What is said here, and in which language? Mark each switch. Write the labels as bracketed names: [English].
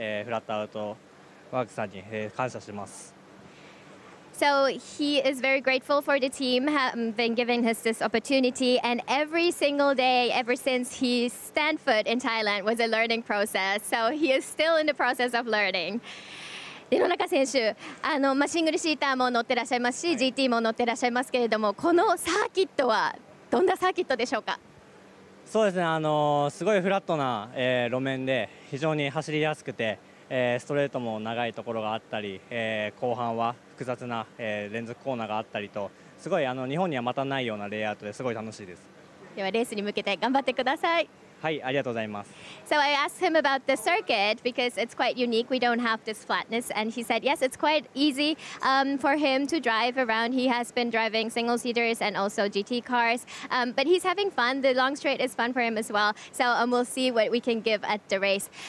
[Japanese] はい、毎日がすごい新鮮な経験で、まずはこの体制を作っていただいたTGR イノネシアチームと、日本のトムスさん、フラットアウトワークスさんに感謝します。 [English] So he is very grateful for the team being giving us this opportunity. And every single day, ever since he stand foot in Thailand, was a learning process. So he is still in the process of learning. [Japanese] 野中選手、シングルシーターも乗ってらっしゃいますし、GTも乗ってらっしゃいますけれども、このサーキットはどんなサーキットでしょうか? そうですね、すごいフラットな路面で、非常に走りやすくて、 ストレートも長いところがあったり、後半は複雑な連続コーナーがあったりと、すごい日本にはまたないようなレイアウトですごい楽しいです。ではレースに向けて頑張ってください。はい、ありがとうございます。 [English] So I asked him about the circuit because it's quite unique. We don't have this flatness, and he said yes, it's quite easy for him to drive around. He has been driving single seaters and also GT cars, but he's having fun. The long straight is fun for him as well. So we'll see what we can give at the race.